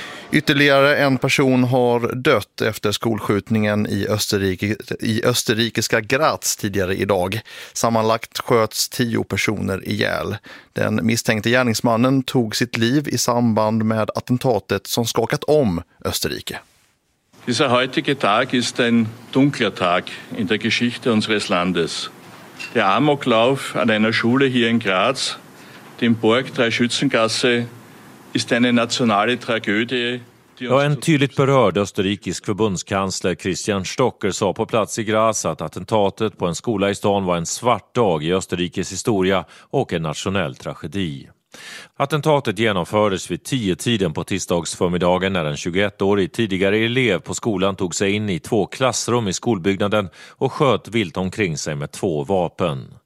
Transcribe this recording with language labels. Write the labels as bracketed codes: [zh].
[sv] Ytterligare en person har dött efter skolskjutningen i österrikiska Graz tidigare idag. Sammanlagt sköts 10 personer ihjäl. Den misstänkte gärningsmannen tog sitt liv i samband med attentatet som skakat om Österrike. [de] Dieser heutige Tag ist ein dunkler Tag in der Geschichte unseres Landes. Der Amoklauf an einer Schule hier in Graz, dem Burg Dreischützengasse, ist eine nationale Tragödie. [sv] Ja, en tydligt berörd österrikisk förbundskansler Christian Stocker sa på plats i Graz att attentatet på en skola i stan var en svart dag i Österrikes historia och en nationell tragedi. Attentatet genomfördes vid 10-tiden på tisdagsförmiddagen när en 21-årig tidigare elev på skolan tog sig in i 2 klassrum i skolbyggnaden och sköt vilt omkring sig med 2 vapen.